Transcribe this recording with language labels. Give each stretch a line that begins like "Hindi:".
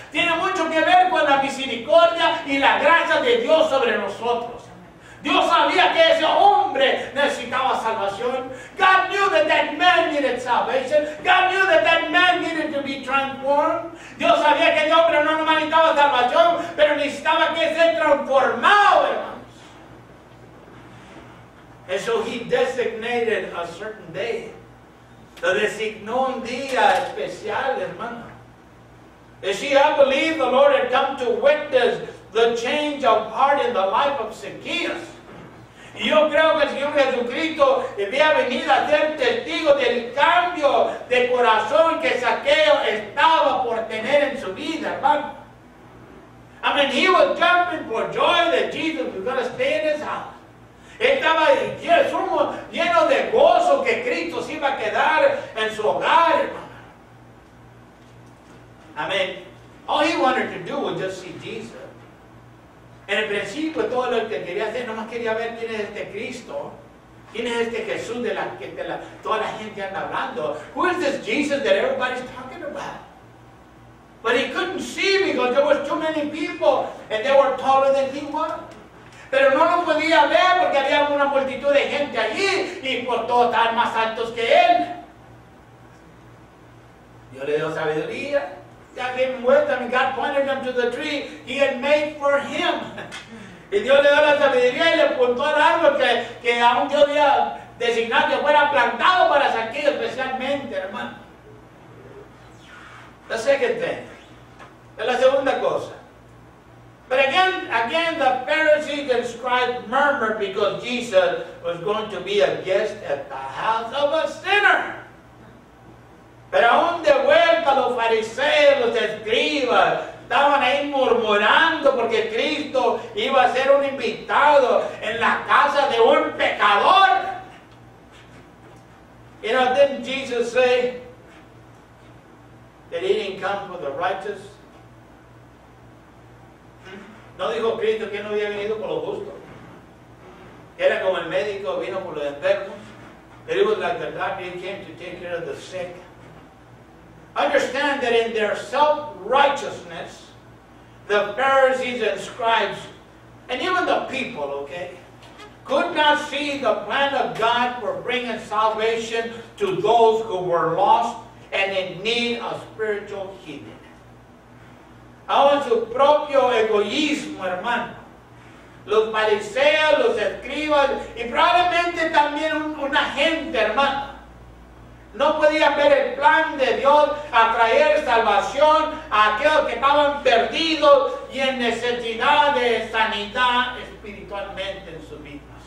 Spanish: Tiene mucho que ver con la misericordia y la gracia de Dios sobre nosotros. Dios sabía que ese hombre necesitaba salvación.
English: God knew that that man needed salvation. God knew that that man needed to be transformed.
Spanish: Dios sabía que ese hombre no necesitaba salvación, pero necesitaba que se transformado, hermanos.
English: And so he designated a certain day.
Spanish: Lo designó un día especial, hermano.
English: You see, I believe the Lord had come to witness the change of heart in the life of Zacchaeus.
Spanish: Y yo creo que el Señor Jesucristo había venido a ser testigo del cambio de corazón que Zacchaeo estaba por tener en su vida, hermano.
English: I mean, he was jumping for joy that Jesus was going to stay in his house.
Spanish: Estaba lleno de gozo que Cristo se iba a quedar en su hogar, hermano.
English: I mean, all he wanted to do was just see Jesus.
Spanish: En el principio, todo lo que quería hacer, nomás quería ver quién es este Cristo. Quién es este Jesús de la que toda la gente anda hablando.
English: Who is this Jesus that everybody's talking about? But he couldn't see because there were too many people and they were taller than he was.
Spanish: Pero no lo podía ver porque había una multitud de gente allí y por todos estaban más altos que él. Dios le dio sabiduría.
English: God gave him wisdom. God pointed him to the tree he had made for him.
Spanish: Y Dios le dio la sabiduría y le apuntó al árbol que aún Dios había designado que fuera plantado para Zaqueo especialmente, hermano. La segunda es la segunda cosa.
English: But again, the Pharisees and scribes murmured because Jesus was going to be a guest at the house of a sinner.
Spanish: Pero aún de vuelta los fariseos, los escribas, estaban ahí murmurando porque Cristo iba a ser un invitado en la casa de un pecador.
English: You know, didn't Jesus say that he didn't come for the righteous?
Spanish: No dijo Cristo que no había venido por los justos. Era como el médico vino por los enfermos.
English: But it was like the doctor, he came to take care of the sick. Understand that in their self-righteousness, the Pharisees and scribes, and even the people, okay, could not see the plan of God for bringing salvation to those who were lost and in need of spiritual healing.
Spanish: Aún su propio egoísmo, hermano, los fariseos, los escribas, y probablemente también una gente, hermano, no podía ver el plan de Dios a traer salvación a aquellos que estaban perdidos y en necesidad de sanidad espiritualmente en sus vidas.